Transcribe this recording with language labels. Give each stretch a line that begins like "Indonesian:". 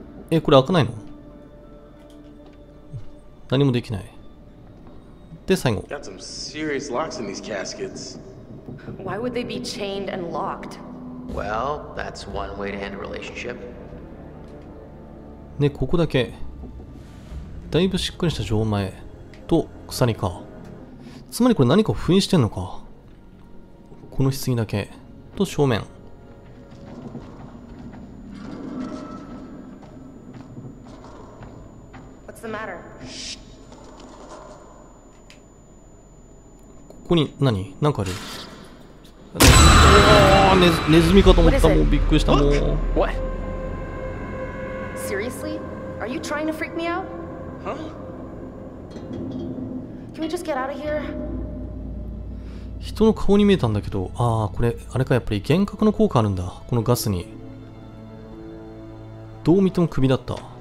Japanese: え、これ開かないの？何もできない。で、最後。
English: Got some serious locks in these caskets. Why would they be chained and locked? Well, that's one way to end a relationship.
Japanese: ね、ここだけ。だいぶしっかりした錠前と鎖か。つまりこれ何かを封印してんのか。この棺だけと正面。
English: What's the matter?
Japanese: ここに何？なんかある？おお、ネズミかと思った。もうびっくりした。もう。
English: What? Seriously? Are you trying to freak me out? Huh? Can we just get out of here?
Japanese: 人の顔に見えたんだけど、ああこれあれか、やっぱり幻覚の効果あるんだ、このガスに。どう見ても首だった。